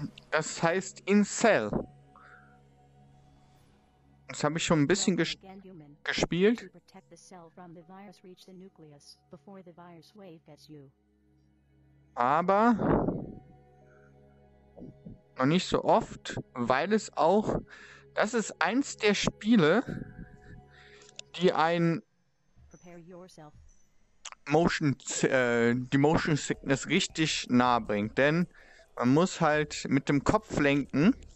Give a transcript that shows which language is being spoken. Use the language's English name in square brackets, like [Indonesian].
[German] Das heißt Incel. Das habe ich schon ein bisschen gespielt. [English] To protect the cell from the virus reach the nucleus before the virus wave gets you. [German] Aber noch nicht so oft, weil es auch, das ist eins der Spiele, die ein die Motion Sickness richtig nahe bringt, denn man muss halt mit dem Kopf lenken